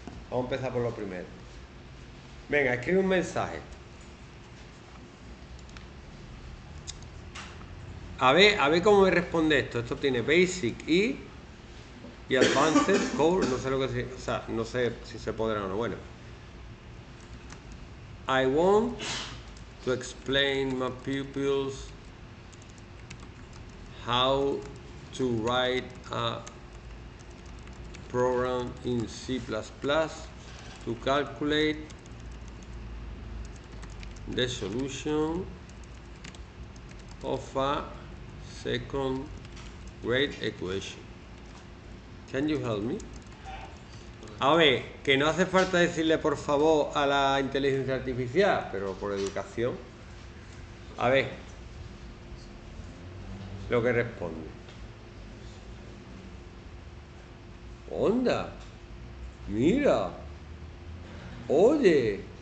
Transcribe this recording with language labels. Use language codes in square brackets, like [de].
[es] Vamos a empezar por lo primero. Venga, escribe un mensaje. A ver cómo me responde esto. Esto tiene Basic y Advanced Core. No sé lo que sea. O sea, no sé si se podrá o no. Bueno. [en] I want to explain my pupils how to write a program in C++ to calculate the solution of a second grade equation. Can you help me? [es] A ver, que no hace falta decirle por favor a la inteligencia artificial, pero por educación. A ver, lo que responde. Onda, mira, oye.